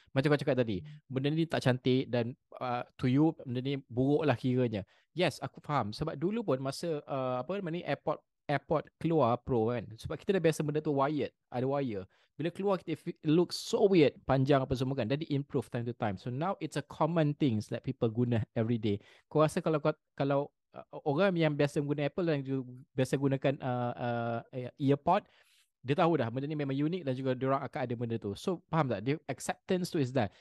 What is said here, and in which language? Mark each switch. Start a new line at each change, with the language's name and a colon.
Malay: Macam kau cakap tadi, benda ni tak cantik dan
English: to you
Malay: benda ni buruk lah kiranya. Yes, aku faham. Sebab dulu pun masa AirPod keluar Pro kan, sebab kita dah biasa benda tu wired, ada wire. Bila keluar,
English: it looks so weird,
Malay: panjang apa semua kan,
English: then it improve time to time. So now it's a common things that people guna every day.
Malay: Kau rasa kalau orang yang biasa guna Apple dan juga biasa gunakan earpod, dia tahu dah benda ni memang unik dan juga diorang akan ada benda tu.
English: So
Malay: faham tak?
English: The acceptance tu is that.